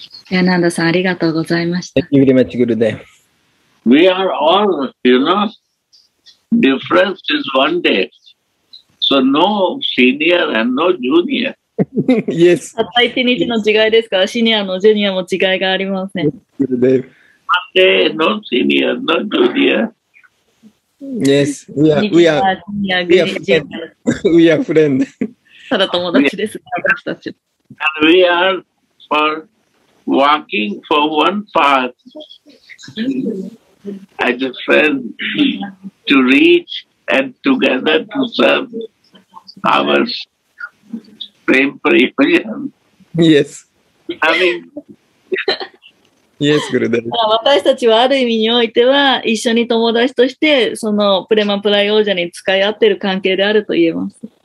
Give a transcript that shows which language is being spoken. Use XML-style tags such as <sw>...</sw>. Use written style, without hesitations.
<ja>ヤナンダさん、ありがとうございました。</ja> <en>Thank you very much, Gurudev. We are all, you know, difference is one day. So no senior and no junior. Yes.</en> <ja>たった一日の違いですから、シニアもジュニアも違いがありません。</ja> <en>Gurudev. One day, no senior, no junior. Yes, we are friends.</en> <ja>ただ友達ですから、私たち。</ja> <en>And we are for... Walking for one path as a friend to reach and together to serve our Prem Prayojan. Yes. I mean, yes, Gurudev.</en> <ja>私たちはある意味においては一緒に友達としてそのプレマプライオージャに使い合っている関係であると言えます。</ja>